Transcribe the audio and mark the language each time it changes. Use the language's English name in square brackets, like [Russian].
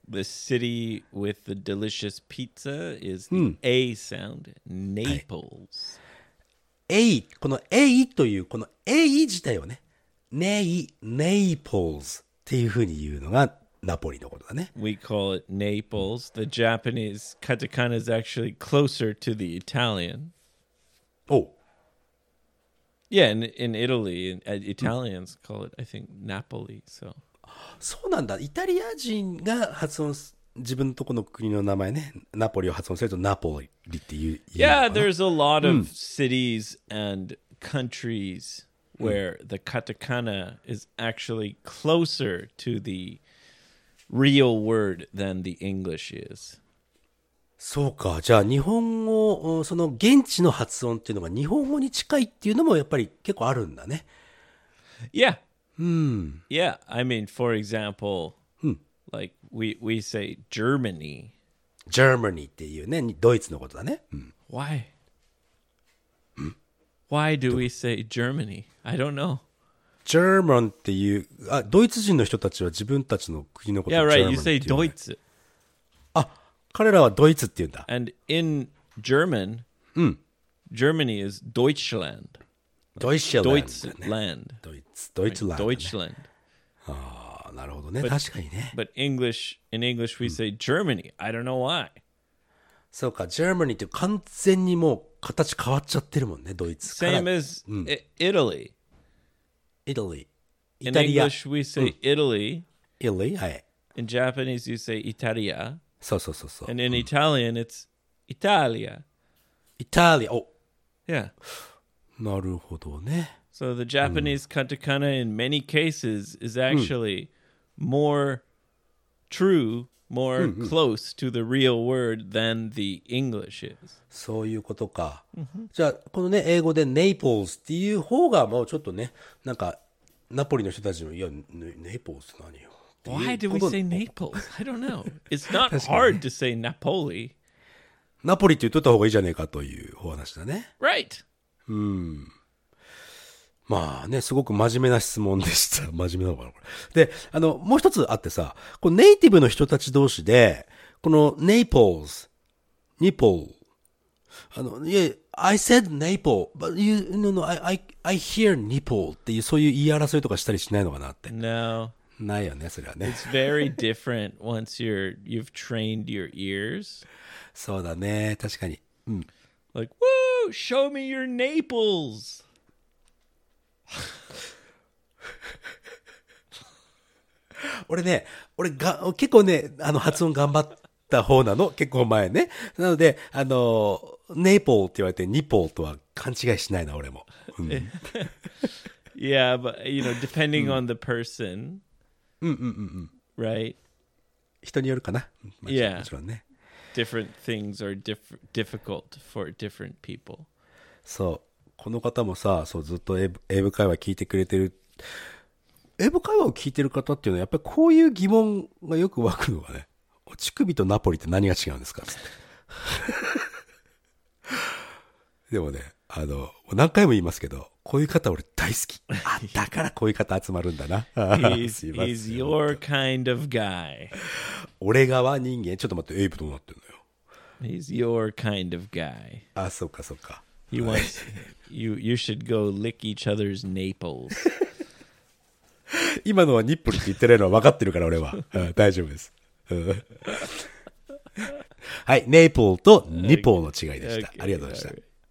[English] The city with the delicious pizza is the、うん、A sound, Naples.、 [Japanese] はい、A この A というこの A 自体をね、ネイネイポーズっていうふうに言うのがナポリのことだね。 [English] We call it Naples. The Japanese katakana is actually closer to the Italian. Oh. Yeah, in Italy, Italians call it, I think, Napoli. So. [Japanese] そうなんだ。イタリア人が発音す、自分のとこの国の名前ね、ナポリを発音するとナポリっていう。 [English] Yeah, there's a lot of、うん、cities and countries where、うん、the katakana is actually closer to the real word than the English is. [Japanese] そうか。じゃあ日本語、その現地の発音っていうのが日本語に近いっていうのもやっぱり結構あるんだね。 [English] Yeah. うん。 Yeah. I mean, for example,、うん、 like we say Germany. [Japanese] Germany っていうね、ドイツのことだね。うん、 [English] Why?、うん、 Why do we say Germany? I don't know. [Japanese] German っていう、あ、ドイツ人の人たちは自分たちの国のことを Germany って言うね。 [English] Yeah, right. You say ドイツ。 [Japanese] 彼らはドイツって言うんだ。 [English] And in German,、うん、 Germany is Deutschland. [German] Deutschland. Deutschland. Deutschland. Deutschland. [Japanese] ああ、なるほどね。確かにね。 [English] But English, in English we say Germany.、うん、I don't know why. [Japanese] そうか、Germany って完全にもう形変わっちゃってるもんね、ドイツから。 [English] Same as、うん、Italy. Italy. In English we say、うん、Italy. [Japanese] Italy, はい。 [English] In Japanese you say Italia. [Japanese] そうそうそうそう。 [English] And in Italian,、うん、it's Italia. Italia. Oh. Yeah. [Japanese] なるほどね。 [English] So the Japanese、うん、katakana in many cases is actually、うん、more true, more、うんうん、close to the real word than the English is. [Japanese] そういうことか。じゃあこのね英語で Naples っていう方がもうちょっとねなんかナポリの人たちもいや Naples 何よ。 [English] Why do we say Naples? I don't know. It's not hard to say Napoli. [Japanese] Napoli って言っとった方がいいじゃねえかというお話だね。 [English] Right. [Japanese] まあね、すごく真面目な質問でした。真面目なのかなこれ。で、もう一つあってさ、このネイティブの人たち同士で、この [English] Naples, Nipple, yeah, I said Naples, but you, no, no, I hear Nipple [Japanese] っていう、そういう言い争いとかしたりしないのかなって。 [English] No. [Japanese] ないよね、それはね。 [English] It's very different once you've trained your ears. [Japanese] そうだね、確かに。うん。 [English] Like, woo! Show me your Naples! [Japanese] 俺が結構ね、発音頑張った方なの、結構前ね。なので、Naples って言われて、Nipple とは勘違いしないな、俺も。 [English] うん、yeah, but, you know, depending on the person... Right? [Japanese] 人によるかな? [English] Yeah. [Japanese] もちろんね。 [English] Different things are difficult for different people. [Japanese] そう。この方もさ、そう、ずっと英語会話聞いてくれてる。英語会話を聞いてる方っていうのは、やっぱりこういう疑問がよく湧くのがね。乳首とナポリって何が違うんですか? でもね、何回も言いますけど、こういう方俺大好き。あ、だからこういう方集まるんだな。 [English] He's your kind of guy. [Japanese] 俺側人間。ちょっと待って、エイプどうなってんのよ。 [English] He's your kind of guy. [Japanese] あ、そっかそっか。 [English] He wants, you should go lick each other's naples. [Japanese] 今のはニップルって言ってないのは分かってるから俺は、うん、大丈夫です。はい、ネイポーとニポーの違いでした。 [English] Okay. [Japanese] ありがとうございました。